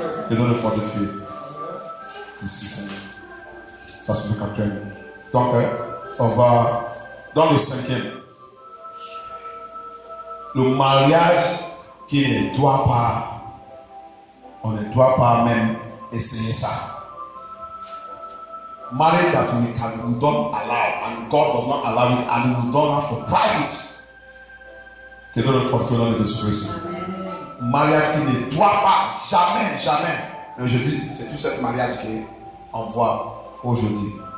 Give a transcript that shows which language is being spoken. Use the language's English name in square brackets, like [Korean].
[French] Et dans le fortifié. Merci, Seigneur. Ça se fait. Donc, on va dans le cinquième. Le mariage qui ne doit pas, on ne doit pas même essayer ça. [English] Marriage that we can we don't allow, and God does not allow it, and we don't have to try it. [French] Que Dieu le fortifie dans le Jésus-Christ. Mariage qui ne doit pas, jamais. Mais je dis, c'est tout ce mariage qu'on voit aujourd'hui.